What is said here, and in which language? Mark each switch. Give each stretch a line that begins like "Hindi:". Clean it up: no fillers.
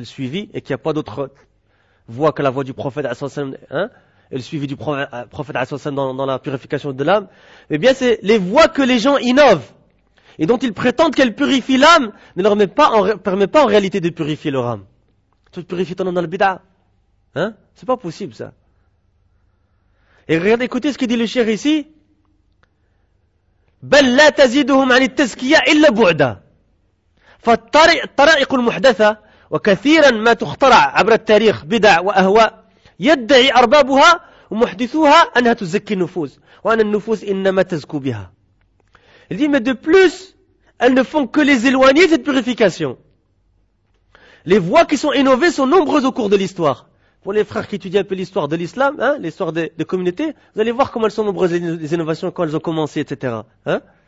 French: C'est le suivi, et qu'il n'y a pas d'autre voit que la voix du prophète, hein, et le suivi du prophète dans la purification de l'âme, eh bien c'est les voix que les gens innovent et dont ils prétendent qu'elles purifient l'âme, ne leur permet pas en réalité de purifier leur âme. Tu purifies ton âme dans le bid'a, hein? C'est pas possible ça. Et regardez, écoutez ce qu'il dit le cheikh ici.
Arabic: بَلْ لَا تَزِيدُهُمْ عَنِ التَّزْكِيَةِ إِلَّا بُعْدًا فَالطَّرَائِقُ الْمُحْدَثَةَ وكثيرا ما تخترع عبر التاريخ بدع واهواء يدعي اربابها ومحدثوها انها تزكي النفوس وان النفوس انما تزكو بها.
French: Il dit, mais de plus, elles ne font que les éloigner de cette purification. Les voies qui sont innovées sont nombreuses au cours de l'histoire. Pour les frères qui étudient un peu l'histoire de l'islam, hein, l'histoire des communautés, vous allez voir comment elles sont nombreuses, les innovations, quand elles ont commencé, etc. Hein?